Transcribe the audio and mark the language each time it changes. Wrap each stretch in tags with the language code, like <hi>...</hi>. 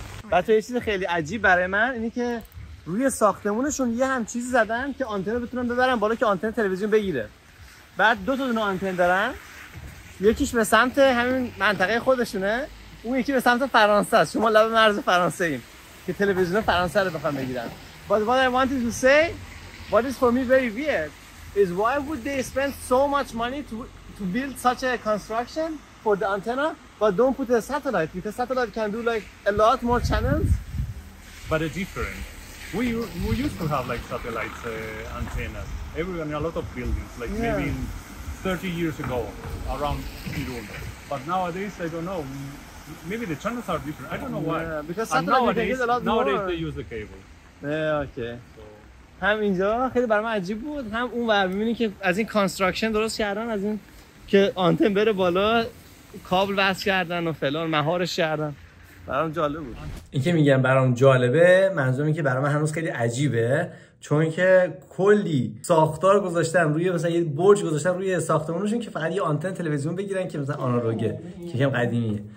<fa>بچه یه چیز خیلی عجیب برای من اینه که روی ساختمونشون یه هم چیزی زدن که آنتن بتونن ببرن بالا که آنتن تلویزیون بگیره. بعد دو تا دونه آنتن دارن، یکیش به سمت همین منطقه خودشونه، اون یکی به سمت فرانسه است. شما لب مرز فرانسه ایم که تلویزیون فرانسه رو بخوام بگیرن.</fa> <en>But what I wanted to say, what is for me very weird, is why would they spend so much money to build such a construction for the antenna, but don't put a satellite, because satellite can do like a lot more channels. but a different. We used to have like satellite antennas everywhere in a lot of buildings, like maybe 30 years ago around Irun. But nowadays, I don't know, maybe the channels are different. I don't know why. Because satellite nowadays, a lot more. Nowadays they use the cable. Yeah, okay.</en> <fa>هم اینجا خیلی برام عجیب بود، هم اون ور می‌بینی که از این کانستراکشن درست کردن، از این که آنتن بره بالا کابل وصل کردن و فلان مهارش کردن، برام جالب بود. این که میگم برام جالبه، منظورم این که برام هنوز خیلی عجیبه، چون که کلی ساختار گذاشتن روی، مثلا یه برج گذاشتن روی ساختمانشون که فقط یه آنتن تلویزیون بگیرن که مثلا آنالوگه، که یکم قدیمیه.</fa>